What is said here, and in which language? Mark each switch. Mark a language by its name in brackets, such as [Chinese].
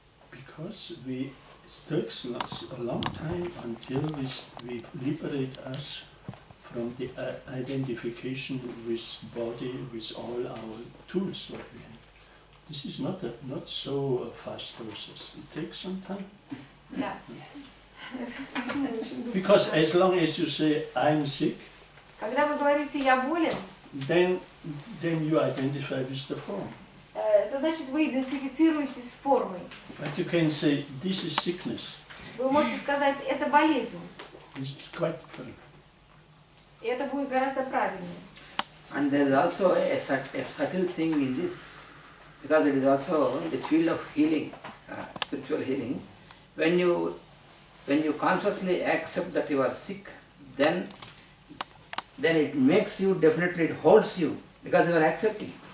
[English] Because we took us a long time until we liberate us from the identification with body, with all our tools that we have. This is not so a fast process. It takes some time. Yeah, yes. Because as long as you say I'm sick, [Russian] когда вы говорите я болен, [English] then you identify with the form. [Russian] Это значит вы идентифицируетесь с формой. [English] But you can say this is sickness. [Russian] Вы можете сказать это болезнь. [English] It's quite fine. [Russian] И это будет гораздо правильнее. [English] And there is also a subtle thing in this, because it is also the field of healing, spiritual healing. When you consciously accept that you are sick, then it makes you definitely, it holds you, because you are accepting.